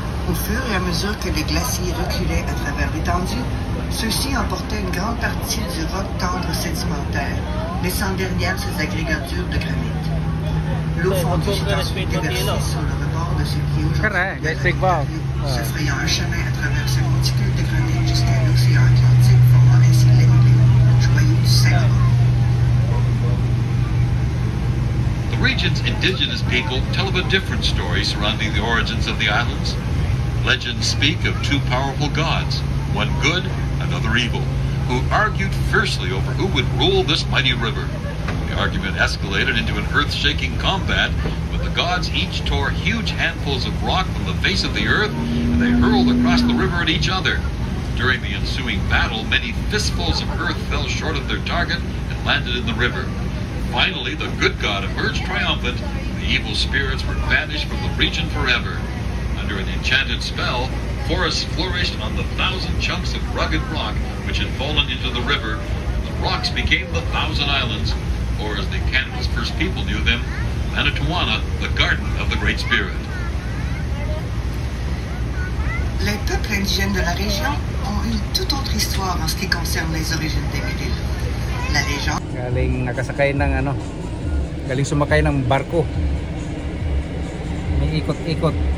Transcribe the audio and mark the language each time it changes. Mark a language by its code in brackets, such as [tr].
[fr] Au fur et à mesure que les glaciers reculaient à travers l'étendue, ceux-ci emportaient une grande partie du roc tendre sédimentaire, laissant derrière ces agrégats durs de granit. L'eau fondue s'est ensuite déversée sur le rebord de ce qui est aujourd'hui la rive de l'eau, se frayant un chemin à travers ce monticule de granit jusqu'à l'océan Atlantique, formant ainsi les joyaux du Saint-Laurent. [en] The region's indigenous people tell of a different story surrounding the origins of the islands. Legends speak of two powerful gods, one good, another evil, who argued fiercely over who would rule this mighty river. The argument escalated into an earth-shaking combat when the gods each tore huge handfuls of rock from the face of the earth and they hurled across the river at each other. During the ensuing battle, many fistfuls of earth fell short of their target and landed in the river. Finally, the good god emerged triumphant, and the evil spirits were banished from the region forever. Under an enchanted spell, forests flourished on the thousand chunks of rugged rock which had fallen into the river, and the rocks became the Thousand Islands, or as the Canada's first people knew them, Manitouana, the Garden of the Great Spirit. [fr] Les peuples indigènes de la région ont une toute autre histoire en ce qui concerne les origines des îles. La légende. [tl] Galing nakasakay ng ano? Galing sumakay ng barko. May ikot-ikot.